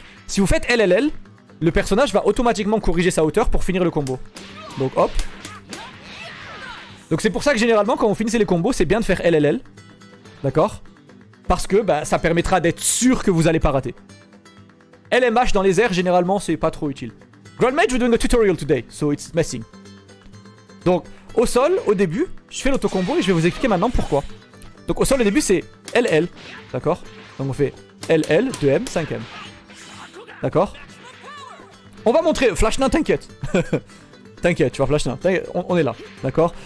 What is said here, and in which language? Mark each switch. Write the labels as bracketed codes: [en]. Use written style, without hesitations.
[fr] Si vous faites LLL, le personnage va automatiquement corriger sa hauteur pour finir le combo. Donc hop. Donc c'est pour ça que généralement, quand vous finissez les combos, c'est bien de faire LLL. D'accord? Parce que bah, ça permettra d'être sûr que vous allez pas rater. LMH dans les airs, généralement, c'est pas trop utile. [en] Grand Mage, we're doing a tutorial today, so it's messing. [fr] Donc, au sol, au début, je fais l'autocombo et je vais vous expliquer maintenant pourquoi. Donc au sol, au début, c'est LL. D'accord? Donc on fait LL, 2M, 5M. D'accord? On va montrer... Flash Nain, t'inquiète. T'inquiète, tu vois, Flash Nain. On est là. D'accord?